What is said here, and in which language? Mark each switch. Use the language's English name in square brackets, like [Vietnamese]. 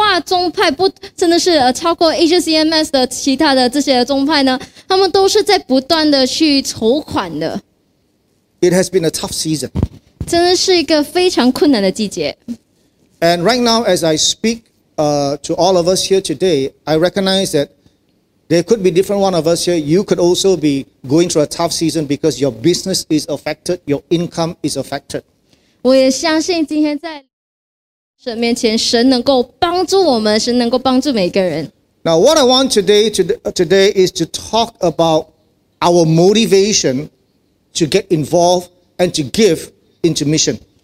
[Chinese] 所以你可以看到，不只是在神教会这个宗派，真的是跨宗派，不，真的是超过 Asia CMS 的其他的这些宗派呢，他们都是在不断的去筹款的。 [English] It has been a tough season. [Chinese] 真的是一个非常困难的季节。 [English] And right now, as I speak to all of us here today, I recognize that there could be different one of us here. You could also be going through a tough season because your business is affected, your income is affected. [Chinese] 我也相信今天在神面前，神能够帮助我们，神能够帮助每个人。 [English] Now, what I want today is to talk about our motivation to get involved and to give into mission.